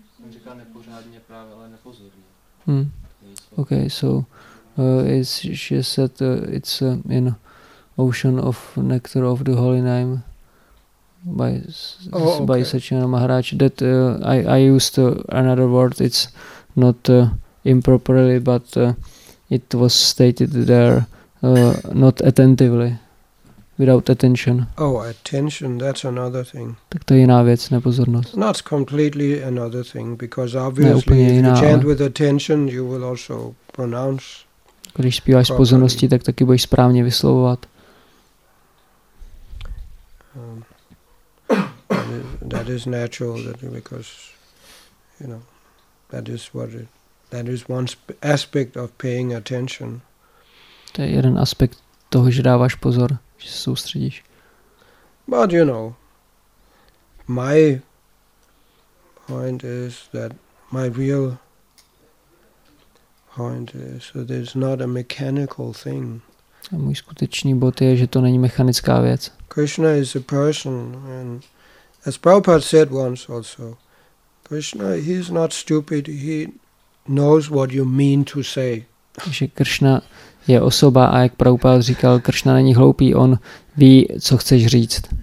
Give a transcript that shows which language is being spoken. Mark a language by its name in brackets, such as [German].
[Czech] Říká nepořádně právě, ale nepozorně. [English] Okay, so she said it's in ocean of nectar of the holy name. By Sachin Maharaj, that I used another word. It's not improperly, but it was stated there not attentively, without attention. Oh, attention, that's another thing. [Czech] Tak to je jiná věc, nepozornost. [English] Not completely another thing, because obviously if you chant with attention, you will also pronounce. [Czech] Když zpíváš s pozorností, tak taky budeš správně vyslovovat. [English] That is natural, because, you know, that is one aspect of paying attention. [Czech] To je jeden aspekt toho, že dáváš pozor, že se soustředíš. [English] But you know, my point is that my real point is that it's not a mechanical thing. [Czech] A můj skutečný bod je, že to není mechanická věc. [English] Krishna is a person, and as Prabhupada said once also, Krishna, he is not stupid, he knows what you mean to say. [Czech] Že Krishna je osoba a jak Prabhupada říkal, Krishna není hloupý, on ví, co chceš říct.